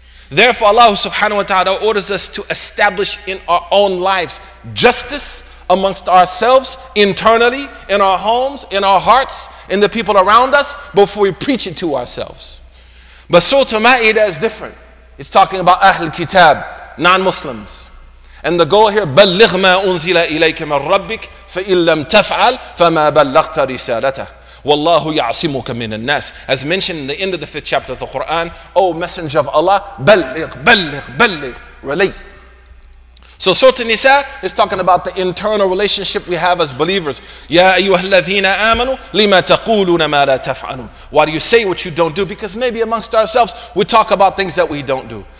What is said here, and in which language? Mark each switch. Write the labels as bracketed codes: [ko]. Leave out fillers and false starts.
[en] Therefore, Allah subhanahu wa ta'ala orders us to establish in our own lives justice amongst ourselves, internally, in our homes, in our hearts, in the people around us, before we preach it to ourselves. But Surah Ma'idah is different. It's talking about Ahl Kitab, non-Muslims. And the goal here, [ar] بَلِّغْ مَا أُنزِلَ إِلَيْكَ مَنْ رَبِّكَ فَإِن لَمْ تَفْعَلْ فَمَا بَلَّغْتَ رِسَالَتَهُ وَاللَّهُ يَعْصِمُكَ مِنَ النَّاسِ. [en] As mentioned in the end of the fifth chapter of the Quran, O Messenger of Allah, [ar] بَلِّغْ بَلِّغْ بَلِّغْ [en] relate. So Surah Nisa is talking about the internal relationship we have as believers. [ar] يَا أَيُّهَا الَّذِينَ آمَنُوا لِمَا تَقُولُونَ مَا لَا تَفْعَلُونَ. [en] Why do you say what you don't do? Because maybe amongst ourselves, we talk about things that we don't do.